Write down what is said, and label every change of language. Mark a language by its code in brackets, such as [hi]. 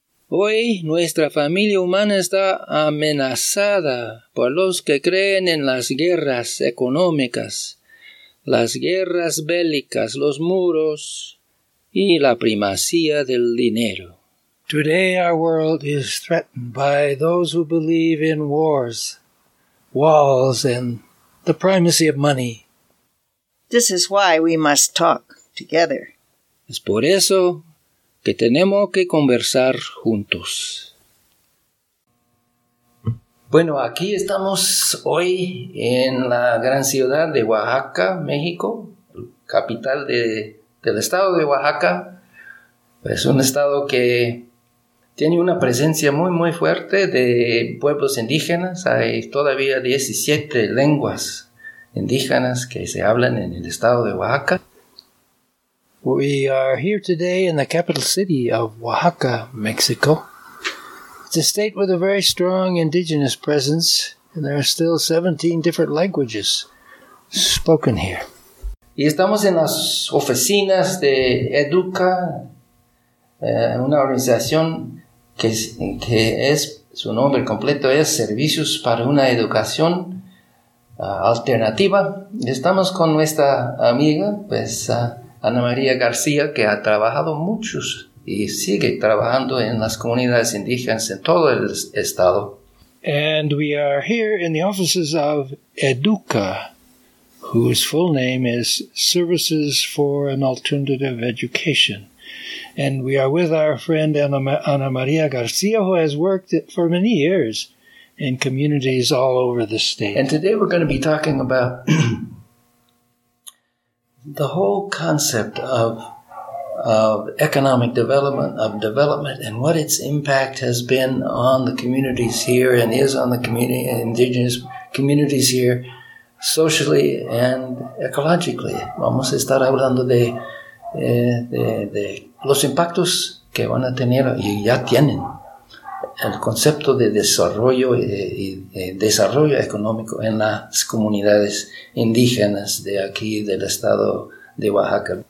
[es] Hoy nuestra familia humana está amenazada por los que creen en las guerras económicas, las guerras bélicas, los muros y la primacía del dinero. [en] Today our world is threatened by those who believe in wars, walls, and the primacy of money. This is why we must talk together. [es] Es por eso que tenemos que conversar juntos. Bueno, aquí estamos hoy en la gran ciudad de Oaxaca, México, capital del estado de Oaxaca. Es un estado que tiene una presencia muy, muy fuerte de pueblos indígenas. Hay todavía 17 lenguas indígenas que se hablan en el estado de Oaxaca. [en] We are here today in the capital city of Oaxaca, Mexico. It's a state with a very strong indigenous presence, and there are still 17 different languages spoken here. [es] Y estamos en las oficinas de EDUCA, una organización que es, su nombre completo es Servicios para una Educación Alternativa. Estamos con nuestra amiga, pues, Ana María García, que ha trabajado muchos y sigue trabajando en las comunidades indígenas en todo el estado. [en] And we are here in the offices of EDUCA, whose full name is Services for an Alternative Education. And we are with our friend Ana María García, who has worked for many years in communities all over the state. And today we're going to be talking about the whole concept of economic development, of development, and what its impact has been on the communities here and is on the community, indigenous communities here, socially and ecologically. [es] Vamos a estar hablando de los impactos que van a tener y ya tienen el concepto de desarrollo y de desarrollo económico en las comunidades indígenas de aquí del estado de Oaxaca.